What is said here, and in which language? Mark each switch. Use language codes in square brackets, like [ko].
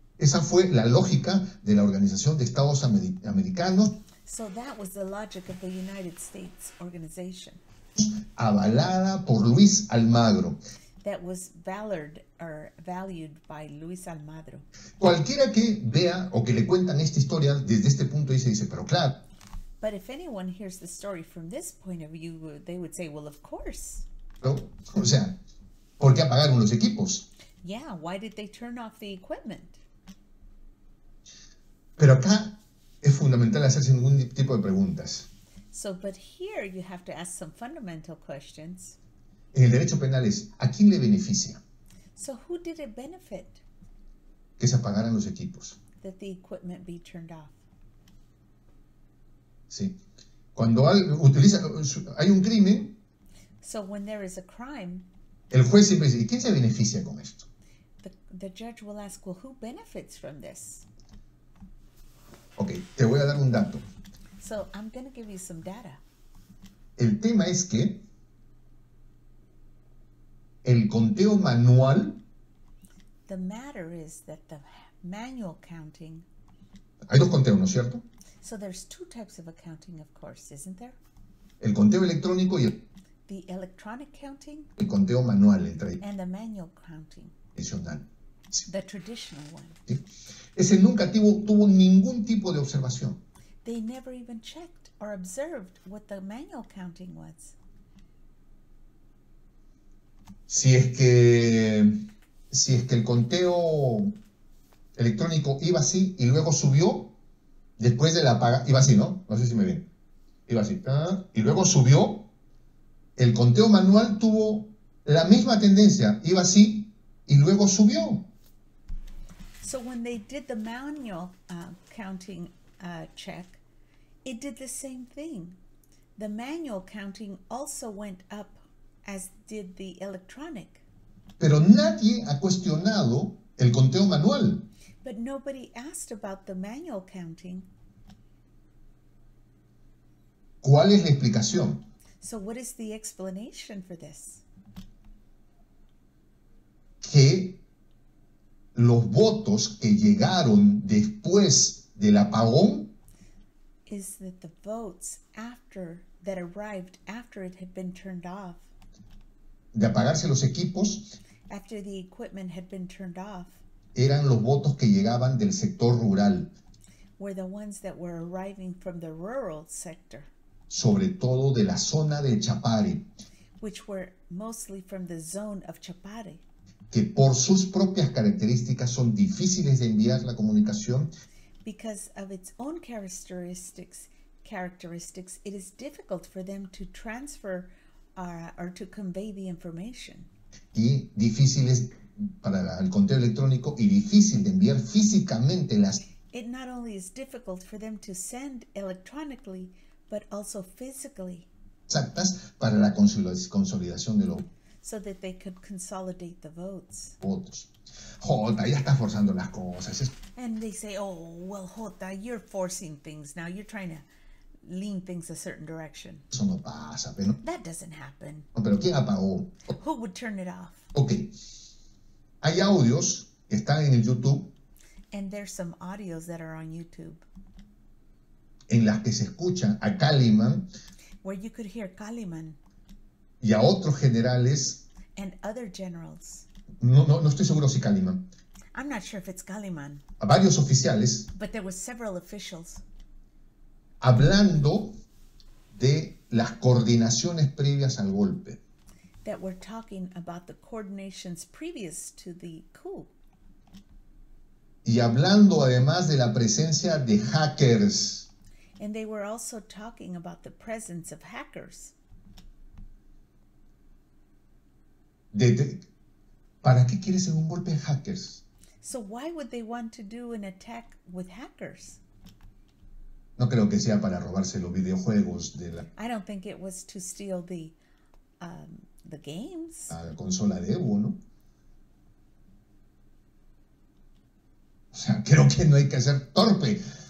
[es] Esa fue la lógica de la Organización de Estados Americanos. [en] So that was the logic of the United States Organization. [es] Avalada por Luis Almagro. [en] That was valued or valued by Luis Almagro. [es] Cualquiera que vea o que le cuentan esta historia desde este punto dice, pero claro. [en] But if anyone hears the story from this point of view, they would say, well, of course. [es] ¿No? O sea, ¿por qué apagaron los equipos? [en] Yeah, why did they turn off the equipment? [es] Pero acá es fundamental hacerse ningún tipo de preguntas. [en] So, but here you have to ask some fundamental questions. [es] En el derecho penal es, ¿a quién le beneficia? [en] So, who did it benefit? [es] Que se apagaran los equipos. [en] That the equipment be turned off. [es] Sí. Cuando hay un crimen, [en] So when there is a crime, [es] el juez siempre dice, ¿y quién se beneficia con esto? [en] The judge will ask, well, who benefits from this? [es] Ok, te voy a dar un dato. [en] So I'm going to give you some data. [es] El tema es que el conteo manual, [en] the matter is that the manual counting, [es] hay dos conteos, ¿no es cierto? [en] So there's two types of accounting, of course, isn't there? [es] El conteo electrónico y [en] the electronic counting, [es] el conteo manual, el tradicional. [en] And the manual counting, [es] tradicional. [en] Sí. The traditional one. [es] Sí. Ese nunca tuvo ningún tipo de observación. [en] They never even checked or observed what the manual counting was. [es] Si es que el conteo electrónico iba así y luego subió, después de la apaga, iba así, ¿no? No sé si me ven. Iba así. Y luego subió. El conteo manual tuvo la misma tendencia. Iba así y luego subió. [en] So when they did the manual counting check, it did the same thing. The manual counting also went up, as did the electronic. [es] Pero nadie ha cuestionado el conteo manual. [en] But nobody asked about the manual counting. [es] ¿Cuál es la explicación? [en] So what is the explanation for this? [es] Que los votos que llegaron después del apagón, [en] is that the votes after that arrived after it had been turned off, [es] de apagarse los equipos, [en] after the equipment had been turned off, [es] eran los votos que llegaban del sector rural, [en] were the ones that were arriving from the rural sector, [es] sobre todo de la zona de Chapare, [en] which were mostly from the zone of Chapare, [es] que por sus propias características son difíciles de enviar la comunicación, [en] because of its own characteristics, it is difficult for them to transfer or to convey the information, [es] y difíciles para el conteo electrónico y difícil de enviar físicamente las, [en] it not only is difficult for them to send electronically but also physically, [es] exactas para la consolidación de los, [en] so that they could consolidate the votes. [es] Votos. Jota, ya estás forzando las cosas. [en] And they say, oh, well, Jota, you're forcing things now. You're trying to lean things a certain direction. [es] Eso no pasa, pero [en] that doesn't happen. [es] No, pero ¿quién apagó? [en] Who would turn it off? [es] Okay. Hay audios que están en el YouTube. [en] And there's some audios that are on YouTube. [es] En las que se escucha a Kalimann. [en] Where you could hear Kalimann. [es] Y a otros generales. [en] And other generals. [es] No estoy seguro si Kalimann. [en] I'm not sure if it's Kalimann. [es] A varios oficiales. [en] But there were several officials. [es] Hablando de las coordinaciones previas al golpe. [en] That were talking about the coordinations previous to the coup. [es] Y hablando además de la presencia de hackers. [en] And they were also talking about the presence of hackers. [es] ¿Para qué quieres hacer un golpe de hackers? [en] So why would they want to do an attack with hackers? [es] No creo que sea para robarse los videojuegos de la, [en] I don't think it was to steal the games. [es] A la consola de Evo, ¿no? O sea, creo que no hay que ser torpe.